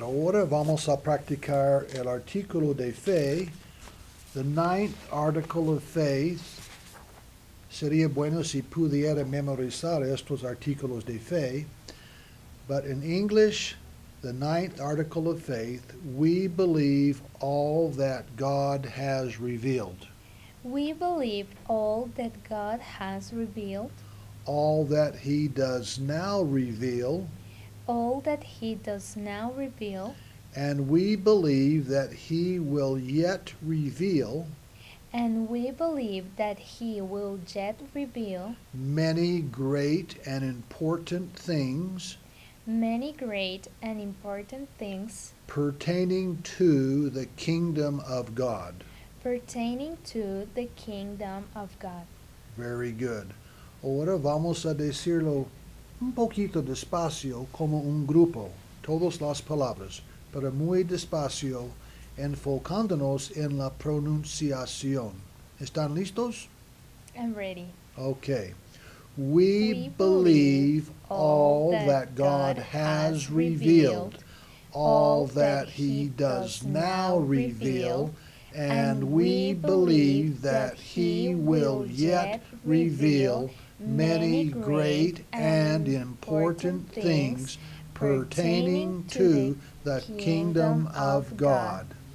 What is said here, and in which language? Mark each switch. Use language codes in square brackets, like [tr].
[es] Ahora vamos a practicar el artículo de fe. [en] The ninth article of faith. [es] Sería bueno si pudiera memorizar estos artículos de fe. [en] But in English, the ninth article of faith, we believe all that God has revealed. We believe all that God has revealed. All that He does now reveal. All that He does now reveal. And we believe that He will yet reveal. And we believe that He will yet reveal. Many great and important things. Many great and important things. Pertaining to the kingdom of God. Pertaining to the kingdom of God. Very good. [es] Ahora vamos a decirlo un poquito despacio como un grupo, todas las palabras, pero muy despacio, enfocándonos en la pronunciación. ¿Están listos? [en] I'm ready. Okay. We believe all that God has revealed, all that he does now reveal, and we believe that he will yet reveal many great and important things pertaining to the kingdom of God.